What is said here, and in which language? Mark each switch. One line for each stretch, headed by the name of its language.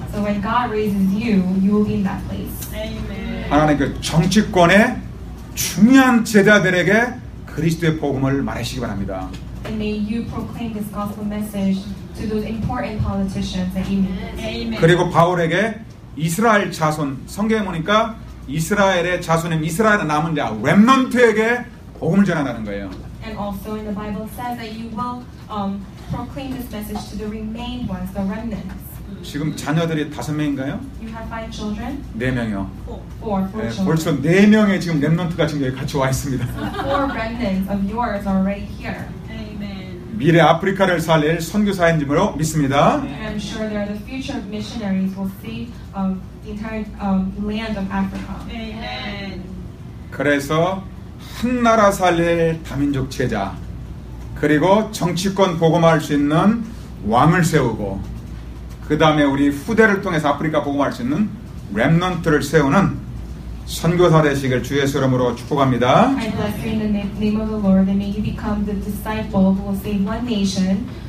English: So when God raises you, you will be in that place. Amen.
Korean: 하나님께 정치권에 중요한 제자들에게 그리스도의 복음을 말하시기 바랍니다.
English: And may you proclaim this gospel message to those important politicians that you meet. Amen.
Korean: 그리고 바울에게 이스라엘 자손, 성경에 보니까 이스라엘의 자손인 이스라엘의 남은 자, 렘넌트에게 복음을 전하라는 거예요.
English: And also in the Bible says that you will proclaim this message to the remaining ones, the remnants.
Korean: 지금 자녀들이 다섯 명인가요?
English: You have five children?
Korean: 네 명이요.
English: Four
Korean: 네, 벌써 네 명의 지금 렘넌트가 지금 여기 같이 와 있습니다.
English: Four remnants of yours are already here. Amen.
Korean: 미래 아프리카를 살릴 선교사인 줄로 믿습니다.
English: I'm sure there are the future missionaries who will save the entire land of Africa. Amen.
Korean: 그래서 한 나라 살릴 다민족 제자 그리고 정치권 복음화할 수 있는 왕을 세우고 그 다음에 우리 후대를 통해서 아프리카 복음화할 수 있는 렘넌트를 세우는 선교사 되시길 주 예수 이름으로 축복합니다.
English: I bless you in the name of the Lord and may you become the disciple who will save one nation.